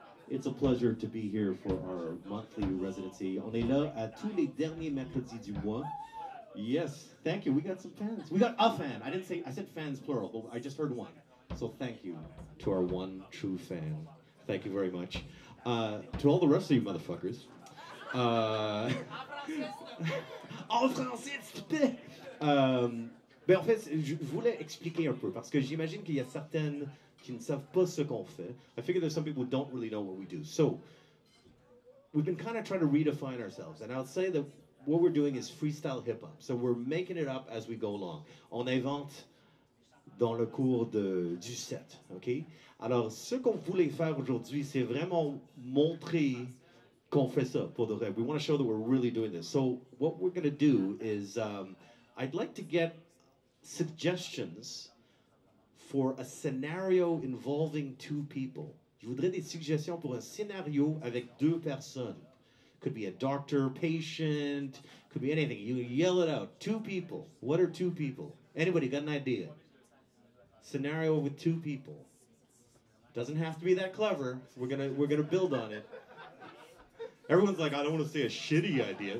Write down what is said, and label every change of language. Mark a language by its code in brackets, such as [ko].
[en] It's a pleasure to be here for our monthly residency. [fr] On est là à tous les derniers mercredis du mois. [en] Yes, thank you. We got some fans. We got a fan. I said fans plural, but I just heard one. So thank you to our one true fan. Thank you very much. To all the rest of you motherfuckers. [fr] En français, s'il te plaît. Ben en fait, je voulais expliquer un peu parce que j'imagine qu'il y a certaines qui ne savent pas ce qu'on fait. [en] I figure there's some people who don't really know what we do. So we've been kind of trying to redefine ourselves, and I'll say that what we're doing is freestyle hip hop. So we're making it up as we go along. [fr] On invente dans le cours du set, ok? Alors, ce qu'on voulait faire aujourd'hui, c'est vraiment montrer qu'on fait ça pour de vrai. [en] We want to show that we're really doing this. So what we're gonna do is, I'd like to get suggestions for a scenario involving two people. [fr] Je voudrais des suggestions pour un scénario avec deux personnes. [en] Could be a doctor, patient, could be anything. You yell it out. Two people. What are two people? Anybody got an idea? Scenario with two people. Doesn't have to be that clever. We're gonna build on it. Everyone's like, I don't want to say a shitty idea.